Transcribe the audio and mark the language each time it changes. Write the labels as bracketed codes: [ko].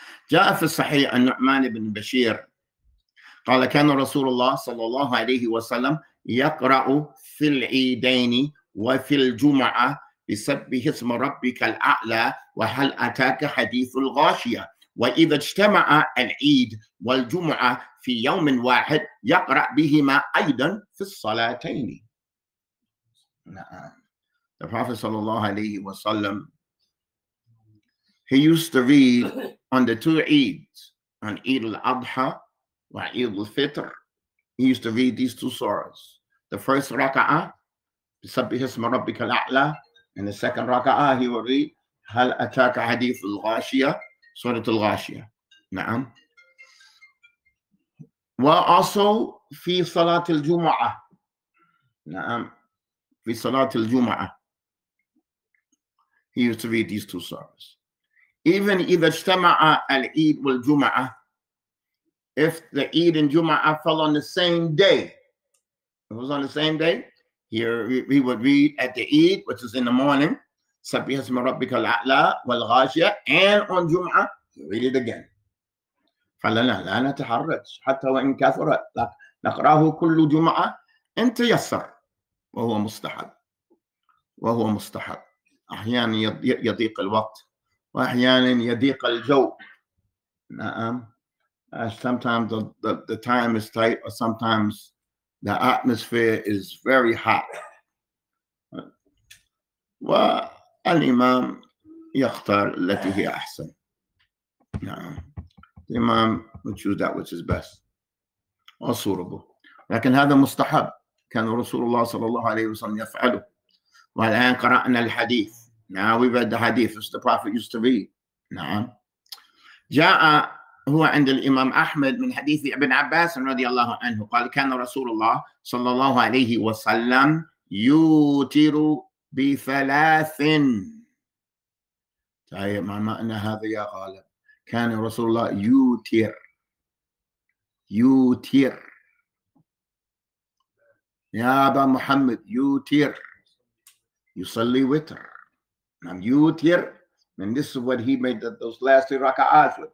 [ar] جاء في الصحيح أن نعمان بن بشير قال كان رسول الله صلى الله عليه وسلم يقرأ في العيدين وفي الجمعة بسبح اسم ربك الأعلى وهل أتاك حديث الغاشية. وإذا اجتمع العيد والجمعة في يوم واحد يقرأ بهما أيضا في الصلاتين. نعم. [en] The Prophet صلى الله عليه وسلم, he used to read on the two Eids, on Eid al-Adha and Eid al-Fitr. He used to read these two surahs. The first raka'a, [ar] بسبح اسم ربك الأعلى, [en] and the second raka'a he would read, [ar] هل أتاك حديث الغاشية, سورة الغاشية. نعم. وأصو في صلاة الجمعة. نعم. في صلاة الجمعة. [en] He used to read these two surahs. Even [ar] إذا اجتمع العيد والجمعة, [en] if the Eid and Jumu'ah fell on the same day, if it was on the same day, he would read at the Eid, which is in the morning, [ar] سبح اسم ربك الأعلى والغاشية, [en] and on Jumu'ah, read it again. [ar] فلنا لا نتحرج حتى وإن كثر نقرأه كل جمعة إن تيسر. وهو مستحب, وهو مستحب. أحيانا يضيق الوقت وأحيانا يضيق الجو. نعم. [en] Sometimes the time is tight, or sometimes the atmosphere is very hot. [ar] والإمام يختار التي هي أحسن. [en] The Imam will choose that which is best. Or suitable. [ar] لكن هذا مستحب. كان رسول الله صلى الله عليه وسلم يفعله. والآن قرأنا الحديث. [en] Now we read the hadith which the Prophet used to read. [ar] نعم. جاء هو عند الإمام أحمد من حديث ابن عباس رضي الله عنه قال كان رسول الله صلى الله عليه وسلم يوتر بثلاث. طيب ما معنى هذا يا غالب؟ كان رسول الله يوتر. يوتر يا أبا محمد يوتر يصلي وتر. نعم يوتر. [en] And this is what he made those last three raka'at with.